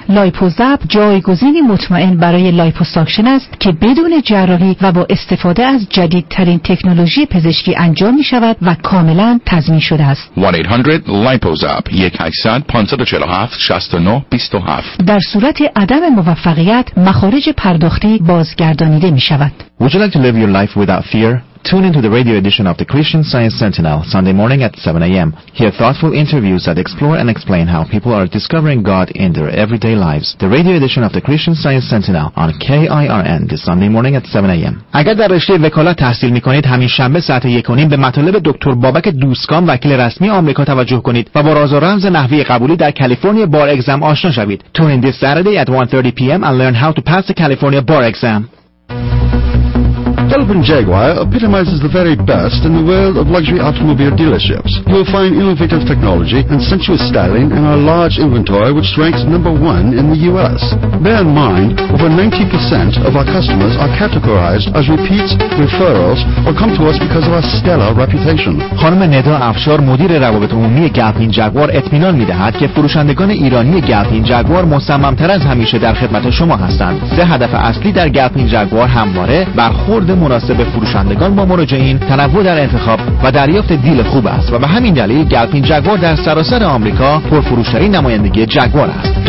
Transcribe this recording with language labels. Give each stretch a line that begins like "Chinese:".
Persian: لایپوزاپ جایگزینی مطمئن برای لایپوساکشن است که بدون جراحی و با استفاده از جدیدترین تکنولوژی پزشکی انجام می شود و کاملا تضمین شده است.
English: 1-800-LIPOZAP. 1-800-547-6927.
Persian: در صورت عدم موفقیت مخارج پرداختی بازگردانیده می شود.
English: Would you like to live your life without fear? Tune into the radio edition of the Christian Science Sentinel Sunday morning at 7 a.m. Hear thoughtful interviews that explore and explain how people are discovering God in their everyday lives. The radio edition of the Christian Science Sentinel on KIRN this Sunday morning at 7 a.m.
Persian: اگر در رشته وکالت تحصیل می‌کنید، همین شنبه ساعت 1:30 به مطالب دکتر بابک دوستکام وکیل رسمی آمریکا توجه کنید و با راز و رمز نحوه قبولی در کالیفرنیا بار اگزم آشنا شوید.
English: Tune in this Saturday at 1:30 p.m. and learn how to pass the California bar exam. Delvin Jaguar epitomizes the very best in the world of luxury automobile dealerships. You will find innovative technology and sensuous styling in our large inventory, which ranks number one in the U.S. Bear in mind, over 90% of our customers are categorized as repeats, referrals, or come to us because of our stellar reputation.
Persian: خانم ندا افشار مدیر روابط عمومی گلفین جگوار اطمینان می‌دهد که فروشندگان ایرانی گلفین جگوار مصمم‌تر از همیشه در خدمت شما هستند. سه هدف اصلی در گلفین جگوار همواره برخورد مناسب فروشندگان با مراجعین، تنوع در انتخاب و دریافت دیل خوب است و به همین دلیل گلفین جگوار در سراسر آمریکا پرفروش‌ترین نمایندگی جگوار است.